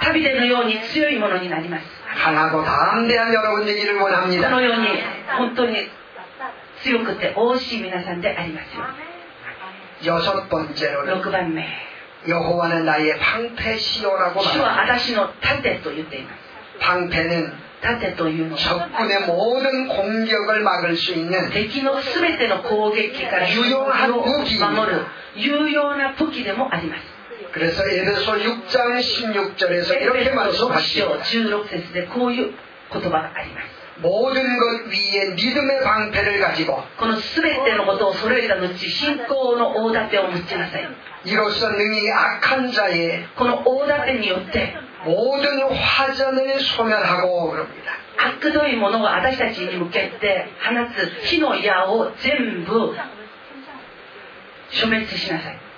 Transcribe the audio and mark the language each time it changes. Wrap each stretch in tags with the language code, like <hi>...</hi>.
<ja>타비되는ように強い者になります니다</ja> <ko>강하고담대한여러분얘기를원합니다</ko> <ja>このように本当に強くて大きい皆さんでありますよ</ja> <ko>여섯번째로는</ko> <ja>6番目</ja> <ko>여호와는나의방패시오라고 말합니다</ko> <ja>主は私の盾と言っています</ja> <ko>방패는</ko> <ja>盾というの</ja> <ko>적군의모든공격을막을수있는</ko> <ja>敵の全ての攻撃から</ja> <ko>유용한武器</ko> <ja>守る有用な武器でもあります</ja> <ko>그래서에베소6장16절에서이렇게말씀하십니다에베소</ko> <ja>16절에こういう言葉があります</ja> <ko>모든것위에믿음의방패를가지고</ko> <ja>この全てのことを揃えた後信仰の大盾を持ちなさい</ja> <ko>이로써능히악한자의</ko> <ja>この大盾によって</ja> <ko>모든화전을소멸하고그럽니다</ko> <ja>악도의ものを私たちに向けて放つ火の矢を全部消滅しなさい</ja>